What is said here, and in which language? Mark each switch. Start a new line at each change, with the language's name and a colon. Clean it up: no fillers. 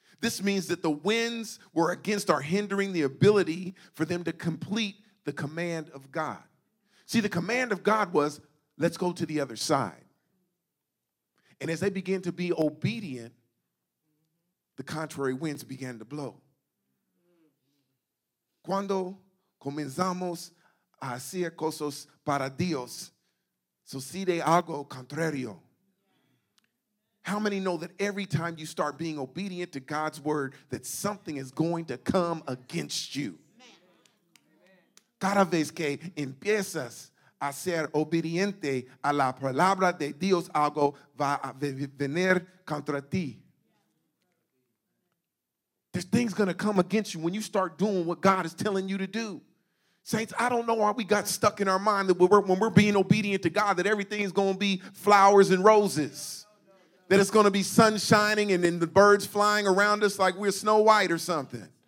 English: This means that the winds were against or hindering the ability for them to complete the command of God. See, the command of God was, let's go to the other side. And as they began to be obedient, the contrary winds began to blow.
Spanish: Cuando comenzamos a hacer cosas para Dios, sucede algo contrario.
English: How many know that every time you start being obedient to God's word, that something is going to come against you?
Spanish: Cada vez que empiezas a ser obediente a la palabra de Dios, algo va a venir contra ti.
English: There's things going to come against you when you start doing what God is telling you to do. Saints, I don't know why we got stuck in our mind that when we're being obedient to God, that everything is going to be flowers and roses. That it's going to be sun shining and then the birds flying around us like we're Snow White or something.